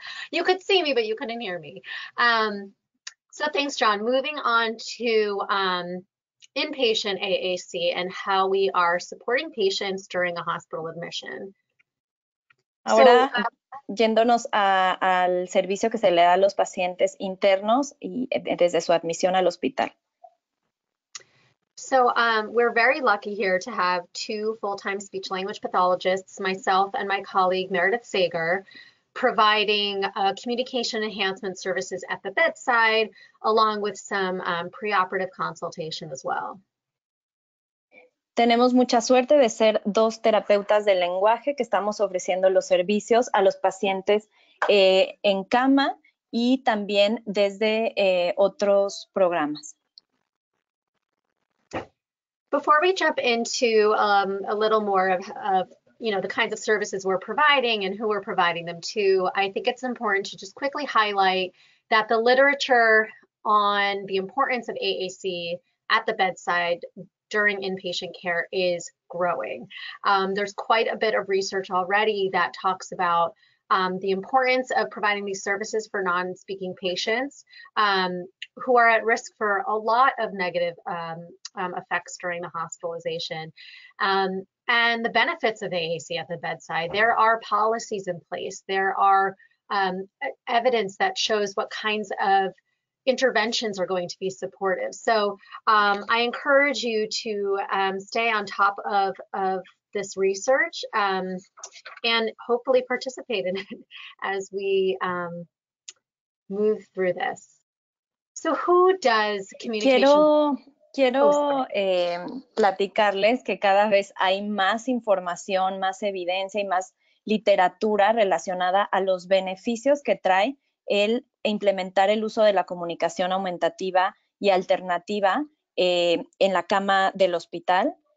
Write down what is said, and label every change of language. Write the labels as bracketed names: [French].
[English] You could see me, but you couldn't hear me. So thanks, John. Moving on to inpatient AAC and how we are supporting patients during a hospital admission. [Spanish] Ahora, yéndonos al servicio que se le da a los pacientes internos y desde su admisión al hospital. [English] So we're very lucky here to have two full-time speech language pathologists, myself and my colleague Meredith Sager, providing communication enhancement services at the bedside, along with some preoperative consultation as well. [Spanish] Tenemos mucha suerte de ser dos terapeutas del lenguaje que estamos ofreciendo los servicios a los pacientes en cama y también desde otros programas. [English] Before we jump into a little more of you know, the kinds of services we're providing and who we're providing them to, I think it's important to just quickly highlight that the literature on the importance of AAC at the bedside during inpatient care is growing. There's quite a bit of research already that talks about the importance of providing these services for non-speaking patients who are at risk for a lot of negative effects during the hospitalization. And the benefits of AAC at the bedside, there are policies in place. There are evidence that shows what kinds of interventions are going to be supportive. So I encourage you to stay on top of this research and hopefully participate in it as we move through this. So who does communication? [Spanish] Quiero platicarles que cada vez hay más información, más evidencia y más literatura relacionada a los beneficios que trae el implementar el uso de la comunicación aumentativa y alternativa en la cama del hospital.